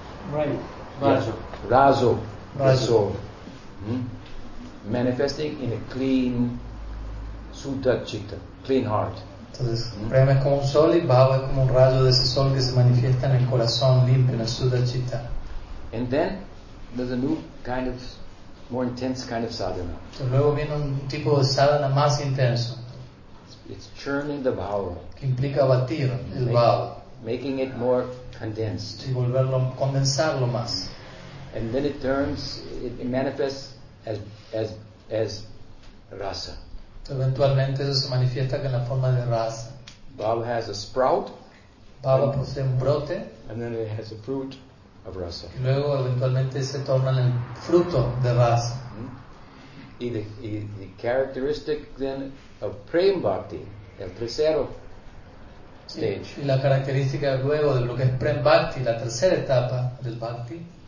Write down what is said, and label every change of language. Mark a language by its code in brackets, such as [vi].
[en] Vaso. Razo. Razo. Manifesting in a clean Sutta Chitta, clean heart. [es] Entonces, Prem es como un sol y Bhava es como un rayo de ese sol que se manifiesta en el corazón limpio, en el Sutta Chitta. [en] And then, there's a new kind of, more intense kind of sadhana. [es] Entonces, luego viene un tipo de sadhana más intenso. [en] It's churning the Bhava. [es] Que implica batir el Bhava. [en] Making it more condensed. [es] Y volverlo, condensarlo más. [en] And then it turns, it manifests as rasa. [es] Eventualmente eso se manifiesta en la forma de raza. [en] Bhava has a sprout. [es] Bhava posee un brote. [en] And then it has a fruit of rasa. [es] Y luego eventualmente se torna en el fruto de raza. [en] Y the characteristic then of prem bhakti, [es] el tercero [en] stage. [es] Y la característica luego de lo que es prem bhakti, la tercera etapa del bhakti.